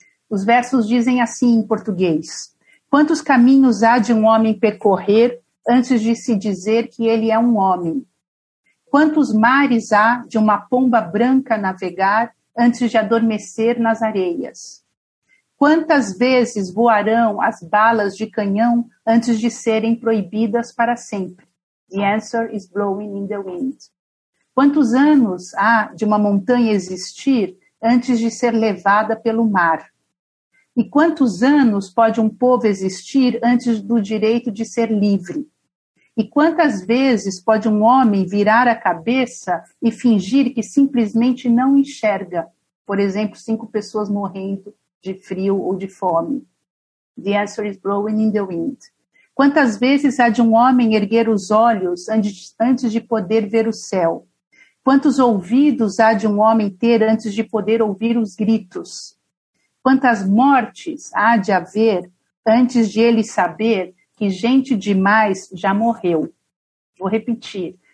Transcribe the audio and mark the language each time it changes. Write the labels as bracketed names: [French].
[Portuguese] Os versos dizem assim em português: quantos caminhos há de um homem percorrer antes de se dizer que ele é um homem? Quantos mares há de uma pomba branca navegar antes de adormecer nas areias? Quantas vezes voarão as balas de canhão antes de serem proibidas para sempre? [English] The answer is blowing in the wind. [Portuguese] Quantos anos há de uma montanha existir antes de ser levada pelo mar? E quantos anos pode um povo existir antes do direito de ser livre? E quantas vezes pode um homem virar a cabeça e fingir que simplesmente não enxerga, por exemplo, 5 pessoas morrendo de frio ou de fome? [English] The answer is blowing in the wind. [Portuguese] Quantas vezes há de um homem erguer os olhos antes de poder ver o céu? Quantos ouvidos há de um homem ter antes de poder ouvir os gritos? Quantas mortes há de haver antes de ele saber que gente demais já morreu? Vou repetir.